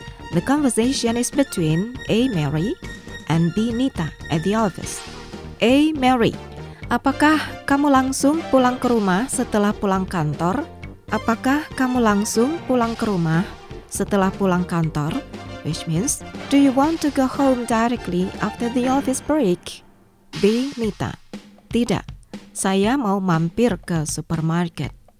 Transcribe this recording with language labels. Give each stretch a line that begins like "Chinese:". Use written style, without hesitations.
English: The conversation is between A. Mary and B. Nita at the office. A.
Indonesian: Mary, apakah kamu langsung pulang ke rumah setelah pulang kantor? Apakah kamu langsung pulang ke rumah setelah pulang kantor?
English: Which means, do you want to go home directly after the office break? B.
Indonesian: Nita, tidak, saya mau mampir ke supermarket.